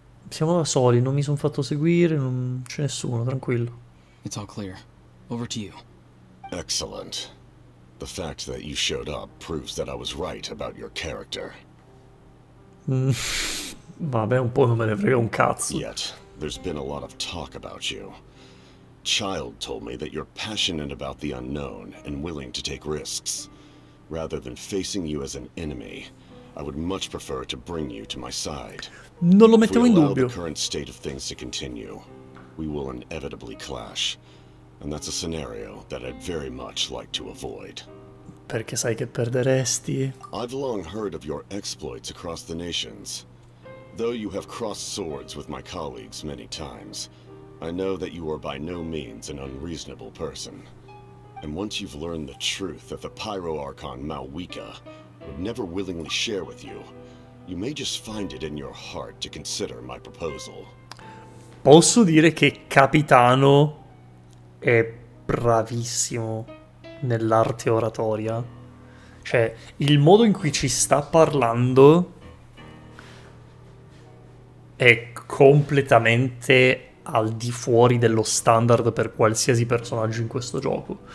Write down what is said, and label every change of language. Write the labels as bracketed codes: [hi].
[it] Siamo da soli, non mi sono fatto seguire, non c'è nessuno, tranquillo. [en] It's all clear. Over to you. Excellent. The fact that you showed up proves that I was right about your character. [it] Vabbè, un po' non me ne frega un cazzo. [en] Yet, there's been a lot of talk about you. Child told me that you're passionate about the unknown and willing to take risks. Rather than facing you as an enemy, I would much prefer to bring you to my side. [it] Non lo mettevo in dubbio. [en] If we allow the current state of things to continue, we will inevitably clash. And that's a scenario that I'd very much like to avoid. [it] Perché sai che perderesti? [en] I've long heard of your exploits across the nations. Though you have crossed swords with my colleagues many times, I know that you are by no means an unreasonable person. And once you've learned the truth that the Pyro Archon Malwika would never willingly share with you, you may just find it in your heart to consider my proposal. [it] Posso dire che Capitano è bravissimo nell'arte oratoria. Cioè, il modo in cui ci sta parlando è completamente al di fuori dello standard per qualsiasi personaggio in questo gioco.